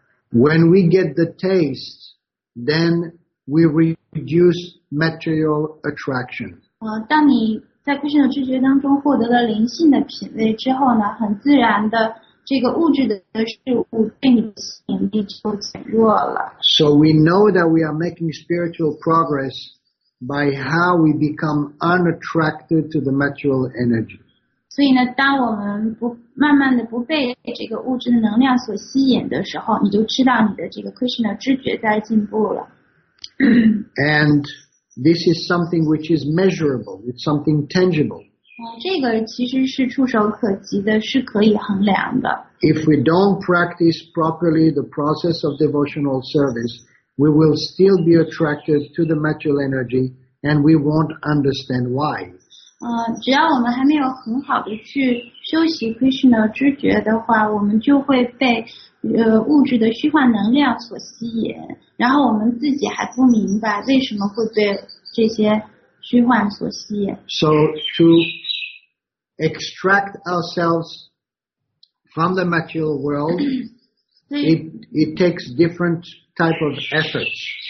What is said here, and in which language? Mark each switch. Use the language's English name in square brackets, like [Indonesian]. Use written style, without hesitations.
[English] When we get the taste, then we reduce material attraction. [Chinese] 当你在 Krishna 知觉当中获得了灵性的品味之后呢，很自然的这个物质的事物对你的吸引力就减弱了。 [English] So we know that we are making spiritual progress by how we become unattracted to the material energy. [Chinese] 所以呢，当我们不慢慢的不被这个物质的能量所吸引的时候，你就知道你的这个 Krishna 知觉在进步了。 [English] And this is something which is measurable. It's something tangible. [Chinese] 这个其实是触手可及的，是可以衡量的。 [English] If we don't practice properly the process of devotional service, we will still be attracted to the material energy, and we won't understand why. [Chinese] 只要我们还没有很好的去修习 Krishna 知觉的话，我们就会被物质的虚幻能量所吸引，然后我们自己还不明白为什么会被这些虚幻所吸引。 [English] So to extract ourselves from the material world, it takes different type of efforts.